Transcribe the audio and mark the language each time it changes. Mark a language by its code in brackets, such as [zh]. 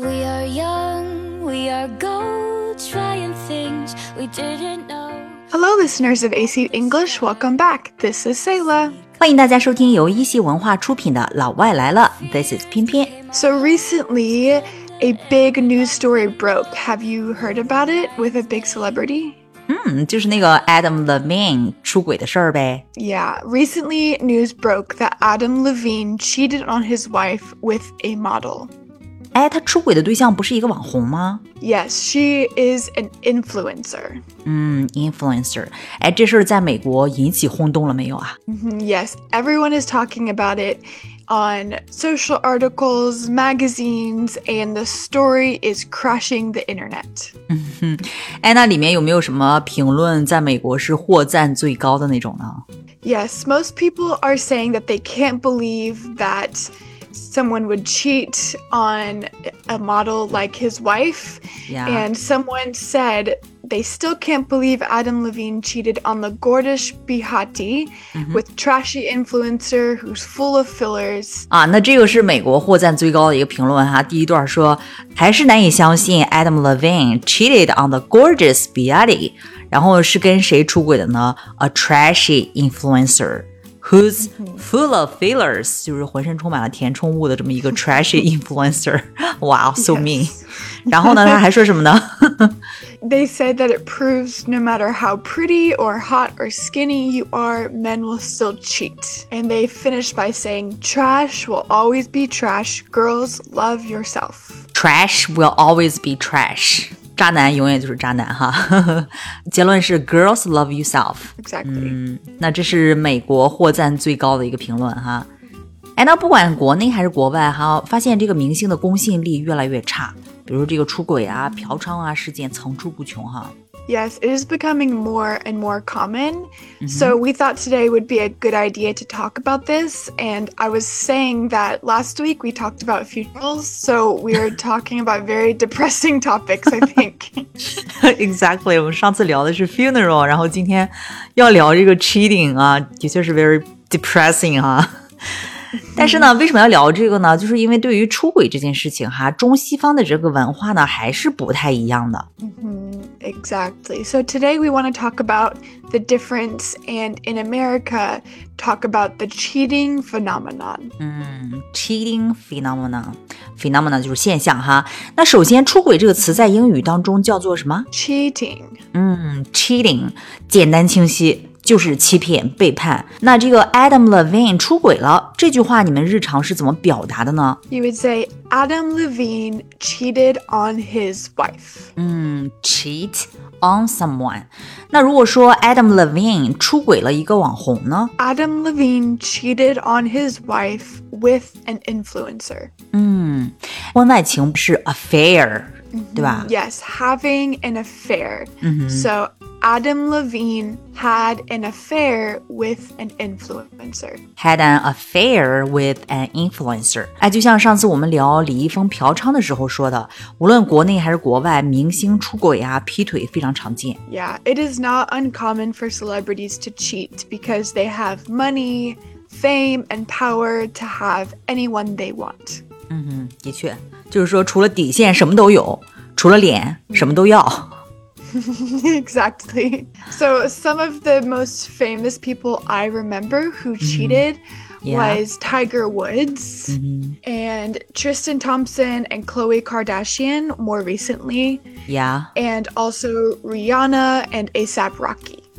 [en] go trying things we didn't know. Hello, listeners of AC English. Welcome back. This is Sayla. [zh] 欢迎大家收听由一席文化出品的《老外来了》。 [en] This is 翩翩。 So recently, a big news story broke. Have you heard about it with a big celebrity? [zh] 就是那个 Adam Levine 出轨的事儿呗。 [en] Yeah, recently news broke that Adam Levine cheated on his wife with a model. [zh] 哎，他出轨的对象不是一个网红吗？ [en] Yes, she is an influencer. Influencer. [zh] 哎，这事儿在美国引起轰动了没有啊？ [en] Yes, everyone is talking about it on social articles, magazines, and the story is crashing the internet. [zh] 哎，那里面有没有什么评论在美国是获赞最高的那种呢？ [en] Yes, most people are saying that they can't believe thatsomeone would cheat on a model like his wife. Yeah. And someone said they still can't believe Adam Levine cheated on the gorgeous Bihati、mm-hmm. with trashy influencer who's full of fillers. [zh] 啊，那这个是美国获赞最高的一个评论哈。第一段说，还是难以相信 [en] Adam Levine cheated on the gorgeous Bihati. [zh] 然后是跟谁出轨的呢？ [en] A trashy influencer. Who's full of fillers, [zh] 就是浑身充满了填充物的这么一个 trashy influencer. [en] Wow, so mean. [zh] 然后呢他还说什么呢 [en] They said that it proves no matter how pretty or hot or skinny you are, men will still cheat. And they finished by saying, trash will always be trash. Girls, love yourself. Trash will always be trash. [zh] 渣男永远就是渣男哈，结论是 [en] girls love yourself. Exactly.、 [zh] 那这是美国获赞最高的一个评论哈。哎，那不管国内还是国外哈，发现这个明星的公信力越来越差，比如这个出轨啊、嫖娼啊事件层出不穷哈。 [en] Yes, it is becoming more and more common.、Mm-hmm. So we thought today would be a good idea to talk about this. And I was saying that last week we talked about funerals. So we are talking about very depressing topics, I think. Exactly. [zh] 我们上次聊的是 funeral, 然后今天要聊这个 cheating 啊，的确是 very depressing 啊。但是呢为什么要聊这个呢就是因为对于出轨这件事情哈中西方的这个文化呢还是不太一样的。 [en] Exactly. So today we want to talk about the difference and in America, talk about the cheating phenomenon. Cheating phenomenon. [zh] Phenomenon 就是现象哈。那首先出轨这个词在英语当中叫做什么 [en] Cheating. [zh] Cheating. 简单清晰。就是欺骗背叛那这个 Adam Levine 出轨了这句话你们日常是怎么表达的呢 [en] You would say Adam Levine cheated on his wife cheat on someone [zh] 那如果说 Adam Levine 出轨了一个网红呢 [en] Adam Levine cheated on his wife with an influencer [zh] 婚外情是 affair、对吧 [en] Yes, having an affair、So Adam LevineHad an affair with an influencer. Had an affair with an influencer. [zh] 哎，就像上次我们聊李易峰嫖娼的时候说的，无论国内还是国外，明星出轨啊、劈腿非常常见。 [en] Yeah, it is not uncommon for celebrities to cheat because they have money, fame, and power to have anyone they want. [zh] 的确，就是说除了底线什么都有，除了脸什么都要。 [en] Exactly. So some of the most famous people I remember who cheated、was Tiger Woods、and Tristan Thompson and Khloe Kardashian more recently. Yeah. And also Rihanna and A$AP Rocky.